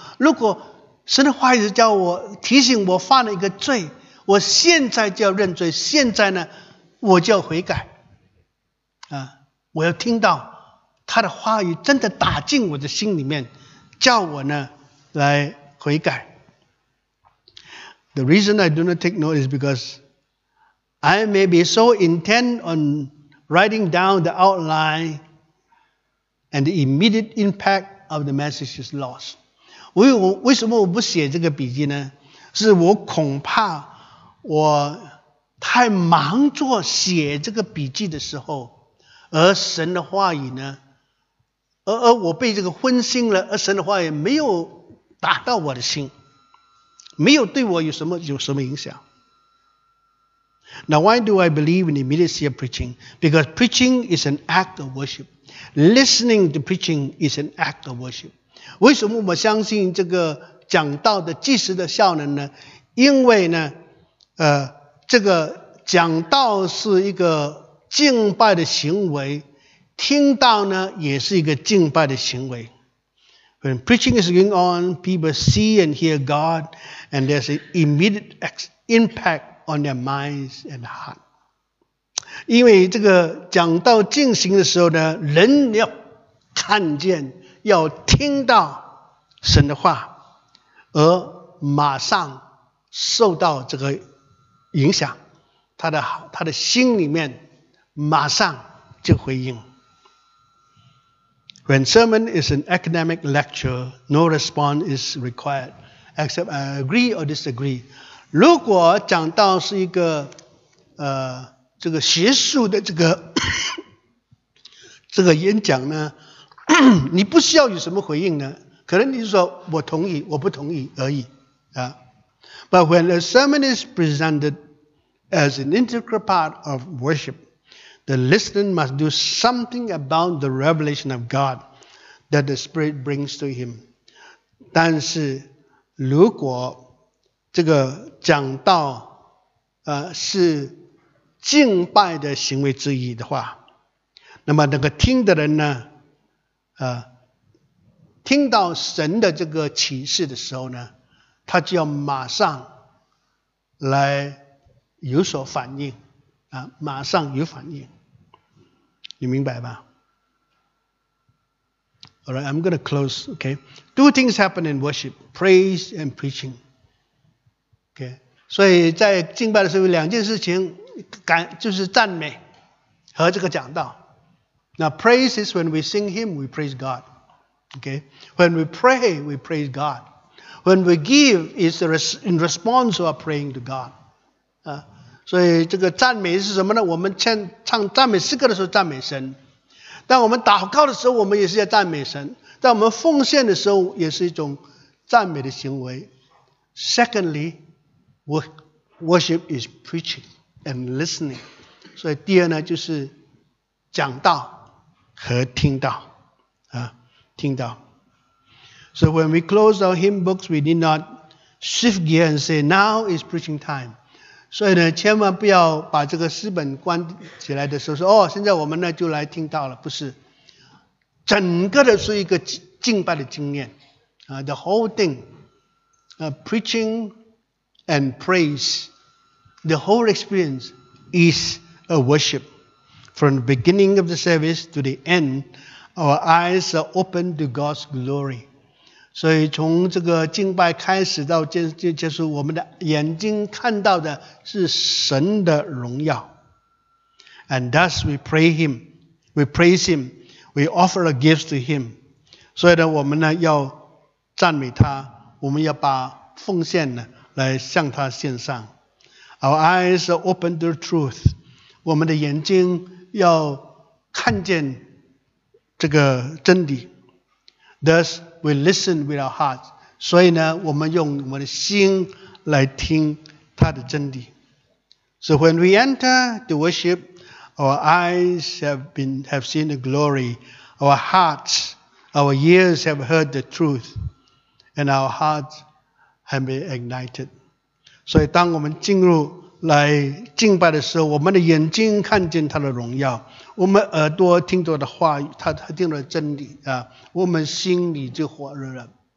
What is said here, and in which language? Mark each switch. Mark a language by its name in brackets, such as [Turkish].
[Chinese] 如果神的话语叫我提醒我犯了一个罪，我现在就要认罪。现在呢，我就要悔改。我要听到他的话语真的打进我的心里面，叫我呢来。悔改。 [English] The reason I do not take note is because I may be so intent on writing down the outline and the immediate impact of the message is lost. [Chinese] 为什么我不写这个笔记呢？是我恐怕我太忙着写这个笔记的时候，而神的话语呢，而我被这个分心了，而神的话语没有打到我的心，没有对我有什么影响。 [English] Now why do I believe in the immediacy of preaching? Because preaching is an act of worship. Listening to preaching is an act of worship. [Chinese] 为什么我相信这个讲道的即时的效能呢？因为呢，这个讲道是一个敬拜的行为，听到呢也是一个敬拜的行为。 [English] When preaching is going on, people see and hear God, and there's an immediate impact on their minds and heart. [Chinese] 因为这个讲道进行的时候呢，人要看见，要听到神的话，而马上受到这个影响，他的心里面马上就回应。 [English] When sermon is an academic lecture, no response is required, except I agree or disagree. [Chinese] 如果讲到是一个这个学术的这个演讲呢，你不需要有什么回应呢？可能你说我同意，我不同意而已啊。 [English] But when a sermon is presented as an integral part of worship,The listener must do something about the revelation of God that the Spirit brings to him. [Chinese] 但是如果这个讲道是敬拜的行为之一的话，那么那个听的人呢听到神的这个启示的时候呢，他就要马上来有所反应马上有反应。你明白吧？ [English] Alright, I'm going to close, okay? Two things happen in worship, praise and preaching. Okay? [Chinese] 所以在敬拜的时候有两件事情感就是赞美和这个讲道。 [English] Now praise is when we sing him, we praise God. Okay, when we pray, we praise God. When we give, is in response to our praying to God. [Chinese] 所以这个赞美是什么呢？我们唱赞美诗歌的时候赞美神，但我们祷告的时候我们也是在赞美神，但我们奉献的时候也是一种赞美的行为。 [English] Secondly, worship is preaching and listening. [Chinese] 所以第二呢就是讲道和听道啊，听道。 [English] So when we close our hymn books, we need not shift gear and say, now is preaching time. [Chinese] 所以呢，千万不要把这个诗本关起来的时候说，哦，现在我们呢就来听到了，不是。整个的是一个敬拜的经验啊 [English] ，the whole thing, preaching and praise, the whole experience is a worship. From the beginning of the service to the end, our eyes are open to God's glory. [Chinese] 所以从这个敬拜开始到结束，我们的眼睛看到的是神的荣耀。 [English] And thus we pray him, we praise him, we offer a gift to him. [Chinese] 所以呢，我们呢要赞美他，我们要把奉献呢来向他献上。 [English] Our eyes are open to truth. [Chinese] 我们的眼睛要看见这个真理。 [English] Thus, we listen with our hearts. [Chinese] 所以呢，我们用我们的心来听他的真理。 [English] So when we enter to worship, our eyes have seen the glory. Our hearts, our ears have heard the truth. And our hearts have been ignited. [Chinese] 所以当我们进入来敬拜的时候，我们的眼睛看见他的荣耀，我们耳朵听到的话语，他听到的真理啊，我们心里就火热了。